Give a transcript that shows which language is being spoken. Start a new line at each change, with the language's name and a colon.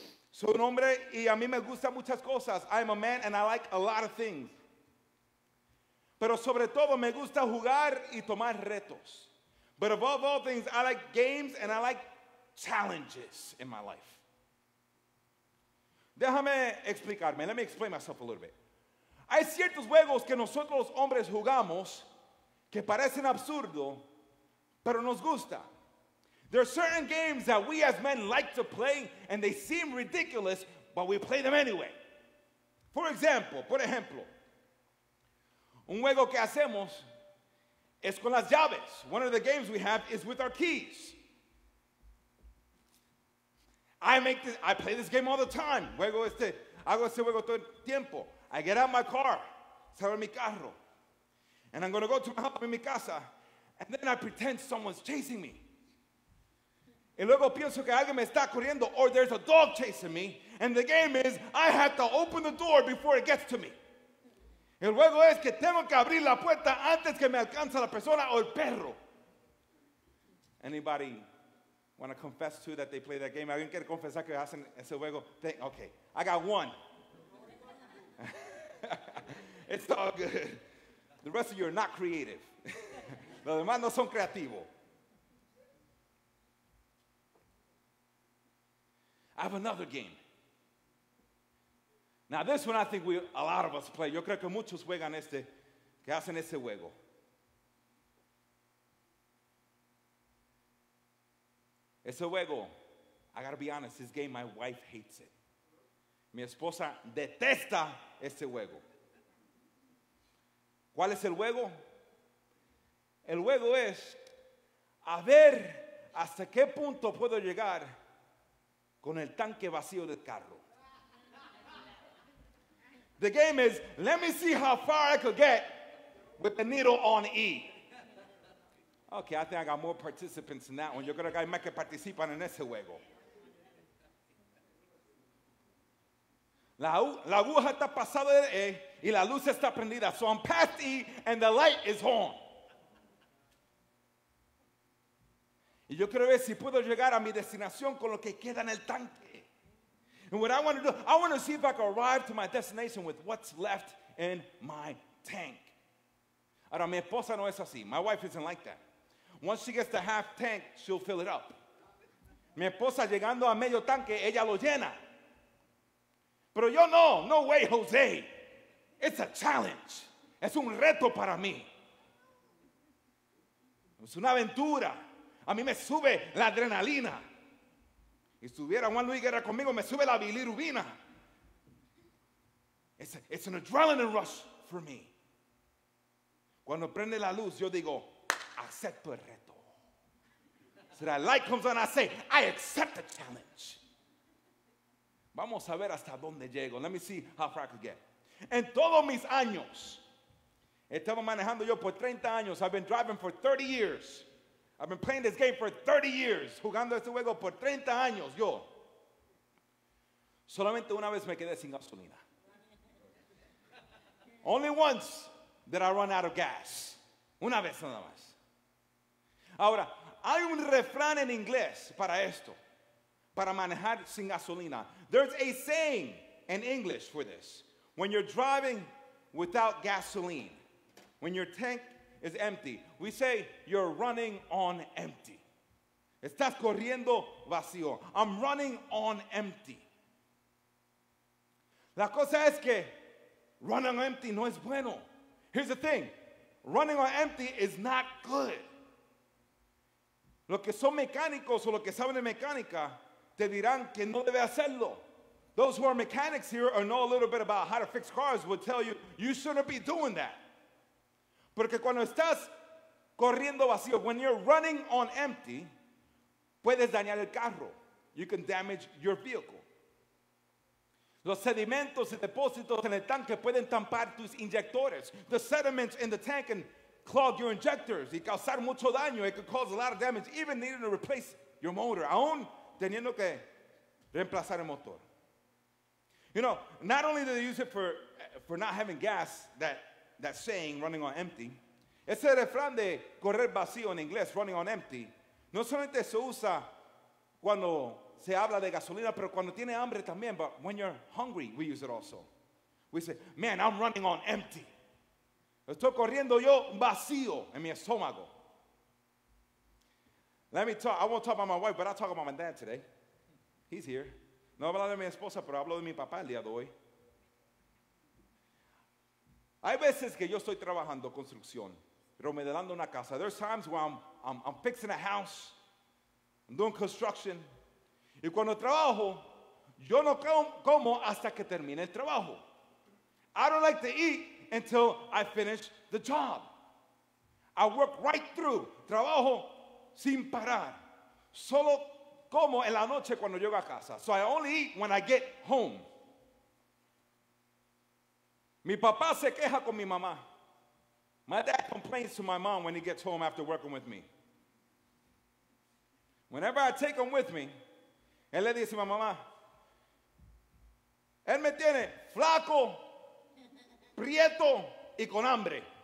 Spanish: Soy un hombre y a mí me gustan muchas cosas.
English: I am a man and I like a lot of things.
Spanish: Pero sobre todo me gusta jugar y tomar retos.
English: But above all things, I like games and I like challenges in my life.
Spanish: Déjame explicarme.
English: Let me explain myself a little bit.
Spanish: Hay ciertos juegos que nosotros hombres jugamos que parecen absurdo, pero nos gusta.
English: There are certain games that we as men like to play, and they seem ridiculous, but we play them anyway.
Spanish: Por ejemplo, un juego que hacemos es con las llaves.
English: One of the games we have is with our keys. I play this game all the time.
Spanish: Hago este juego todo el tiempo.
English: I get out of my car,
Spanish: salgo mi carro,
English: and I'm going to go to my house in
Spanish: mi casa,
English: and then I pretend someone's chasing me.
Spanish: Y luego pienso que alguien me está corriendo,
English: or there's a dog chasing me, and the game is, I have to open the door before it gets to me.
Spanish: El juego es que tengo que abrir la puerta antes que me alcance la persona o el perro.
English: Anybody want to confess to that they play that game?
Spanish: ¿Alguien quiere confesar que hacen ese juego?
English: Okay, I got one. It's all good. The rest of you are not creative.
Spanish: Los demás no son creativos.
English: I have another game. Now, this one I think a lot of us play.
Spanish: Yo creo que muchos juegan que hacen ese juego. Ese juego,
English: I gotta be honest, this game, my wife hates it.
Spanish: Mi esposa detesta ese juego. ¿Cuál es el juego? El juego es a ver hasta qué punto puedo llegar con el tanque vacío del carro.
English: The game is, let me see how far I could get with the needle on E. Okay, I think I got more participants in that one.
Spanish: Yo creo que hay más que participan en ese juego. La aguja está pasada de E y la luz está prendida.
English: So I'm past E and the light is on.
Spanish: Y yo quiero ver si puedo llegar a mi destinación con lo que queda en el tanque.
English: And what I want to do, I want to see if I can arrive to my destination with what's left in my tank.
Spanish: Ahora, mi esposa no es así.
English: My wife isn't like that. Once she gets the half tank, she'll fill it up.
Spanish: Mi esposa llegando a medio tanque, ella lo llena. Pero yo no,
English: no way, Jose. It's a challenge.
Spanish: Es un reto para mí. Es una aventura. A mí me sube la adrenalina. Y si tuviera Juan Luis Guerra conmigo, me sube la bilirubina.
English: It's an adrenaline rush for me.
Spanish: Cuando prende la luz, yo digo, acepto el reto.
English: So that light comes on, I say, I accept the challenge.
Spanish: Vamos a ver hasta dónde llego.
English: Let me see how far I could get.
Spanish: En todos mis años, estaba manejando yo por 30 años.
English: I've been driving for 30 years. I've been playing this game for 30 years.
Spanish: Jugando este juego por 30 años, yo. Solamente una vez me quedé sin gasolina.
English: Only once did I run out of gas.
Spanish: Una vez nada más. Ahora, hay un refrán en inglés para esto. Para manejar sin gasolina.
English: There's a saying in English for this. When you're driving without gasoline. When your tank is empty. We say, you're running on empty.
Spanish: Estás corriendo vacío.
English: I'm running on empty.
Spanish: La cosa es que running on empty no es bueno.
English: Here's the thing. Running on empty is not good.
Spanish: Los que son mecánicos o los que saben de mecánica te dirán que no debe hacerlo.
English: Those who are mechanics here or know a little bit about how to fix cars will tell you, you shouldn't be doing that.
Spanish: Porque cuando estás corriendo vacío,
English: when you're running on empty,
Spanish: puedes dañar el carro.
English: You can damage your vehicle.
Spanish: Los sedimentos y depósitos en el tanque pueden tampar tus inyectores.
English: The sediments in the tank can clog your injectors
Spanish: y causar mucho daño.
English: It could cause a lot of damage, even needing to replace your motor.
Spanish: Aún teniendo que reemplazar el motor.
English: You know, not only do they use it for not having gas, that saying, running on empty.
Spanish: Ese refrán de correr vacío en inglés, running on empty, no solamente se usa cuando se habla de gasolina, pero cuando tiene hambre también.
English: But when you're hungry, we use it also. We say, man, I'm running on empty.
Spanish: Estoy corriendo yo vacío en mi estómago.
English: Let me talk, I won't talk about my wife, but I'll talk about my dad today. He's here.
Spanish: No hablo de mi esposa, pero hablo de mi papá el día de hoy. Hay veces que yo estoy trabajando construcción, remodelando una casa.
English: There's times where I'm fixing a house, I'm doing construction.
Spanish: Y cuando trabajo, yo no como hasta que termine el trabajo.
English: I don't like to eat until I finish the job. I work right through.
Spanish: Trabajo sin parar. Solo como en la noche cuando llego a casa.
English: So I only eat when I get home.
Spanish: Mi papá se queja con mi mamá.
English: My dad complains to my mom when he gets home after working with me. Whenever I take him with me,
Spanish: él le dice a mi mamá, él me tiene flaco, prieto, y con hambre.